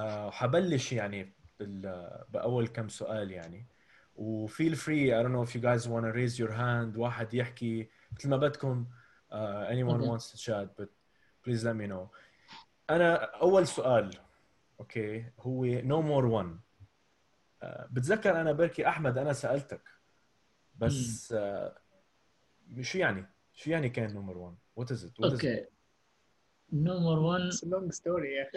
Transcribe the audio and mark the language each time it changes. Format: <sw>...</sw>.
<ar>حبلش يعني بأول كم سؤال يعني.</ar> <en>Feel free, I don't know if you guys want to raise your hand,</en> <ar>واحد يحكي مثل ما بدكم,</ar> <en>anyone wants to chat, but please let me know.</en> <ar>أنا أول سؤال,</ar> <en>okay,</en> <ar>هو</ar> <en>no more one.</en> <ar>بتذكر أنا بركي أحمد أنا سألتك, بس شو يعني؟ شو يعني كان</ar> <en>number one? What is it? Number one. It's a long story.</en>